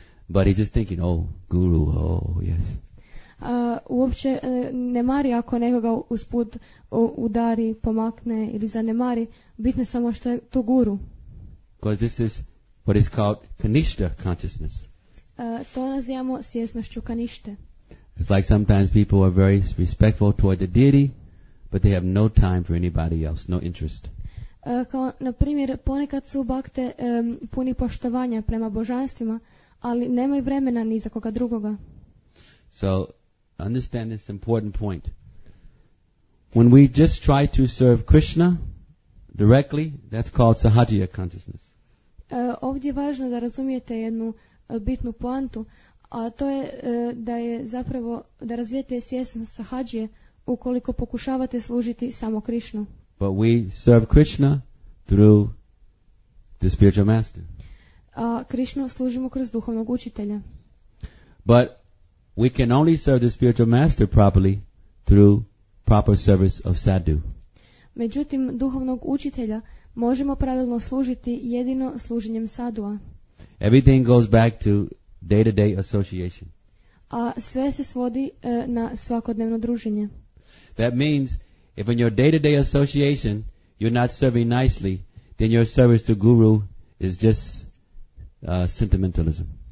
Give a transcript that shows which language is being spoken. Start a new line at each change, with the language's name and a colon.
English: But he's just thinking, oh, guru, oh, yes.
Croatian: Uopće ne mari ako nekoga usput udari, pomakne ili zanemari. Bitno samo što je to guru.
English: Because this is what is called kanishta consciousness.
Croatian: To nazivamo svjesnošću kanište.
English: It's like sometimes people are very respectful toward the deity, but they have no time for anybody else, no interest.
Croatian: Kao, na primjer, ponekad su bakte puni poštovanja prema božanstvima, ali nemaju vremena ni za koga drugoga.
English: So, understand this important point. When we just try to serve Krishna directly, that's called sahajiya consciousness.
Croatian: Ovdje je važno da razumijete jednu bitnu poantu, a to je da je zapravo da razvijete svjesnost sahajije ukoliko pokušavate služiti samo Krishnu.
English: But we serve Krishna through the spiritual master.
Croatian: A Krishnu služimo kroz duhovnog učitelja.
English: But we can only serve the spiritual master properly through proper service of sadhu.
Croatian: Međutim, duhovnog učitelja možemo pravilno služiti jedino služenjem sadhua.
English: Everything goes back to day-to-day association.
Croatian: A sve se svodi na svakodnevno druženje.
English: That means if in your day-to-day association you're not serving nicely, then your service to guru is just sentimentalism.